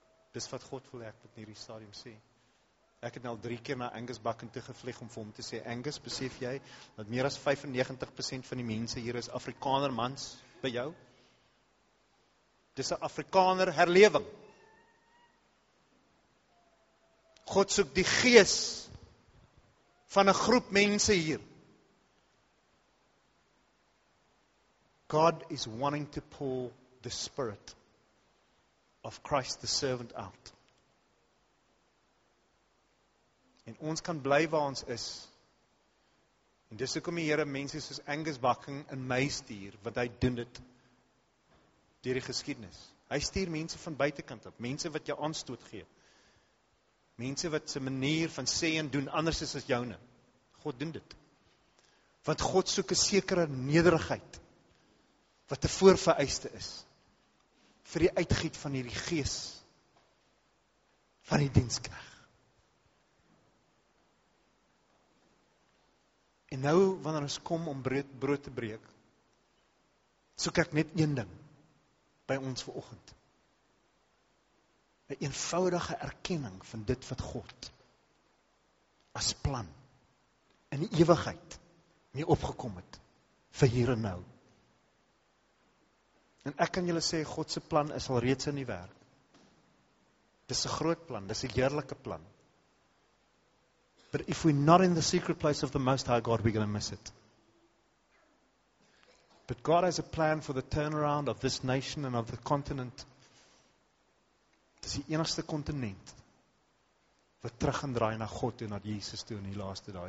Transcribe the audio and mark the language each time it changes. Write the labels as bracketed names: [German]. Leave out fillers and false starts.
[Afrikaans] Dis wat God wil ek in hierdie stadium sê. Ek het nou 3 keer na Angus Bakken toe gevlieg om vir hom te sê, Angus, besef jy, dat meer as 95% van die mense hier is Afrikaner mans by jou? Dis 'n Afrikaner herlewing. God soek die gees van 'n groep mense hier. [English] God is wanting to pull the spirit of Christ the servant out. [Afrikaans] En ons kan bly waar ons is. En dis hoekom die Here mense soos Angus Bakking in my stuur, want hy doen dit deur die geskiedenis. Hy stuur mense van buitekant op, mense wat jou aanstoot gee. Mense wat sy manier van sê en doen anders is as joune. God doen dit. Want God soek 'n sekere nederigheid wat 'n voorvereiste is vir die uitgiet van hierdie gees van die dienskrag. En nou, wanneer ons kom om brood te breek, soek ek net een ding by ons vanoggend. 'N eenvoudige erkenning van dit wat God as plan in die ewigheid mee opgekom het vir hier en nou. En ek kan julle sê, God se plan is al reeds in die werk. Dis 'n groot plan, dis 'n heerlike plan. [English] But if we're not in the secret place of the Most High God, we're going to miss it. But God has a plan for the turnaround of this nation and of the continent. [Afrikaans] Dit is die enigste continent wat terug en draai na God en na Jesus toe in die laaste dae.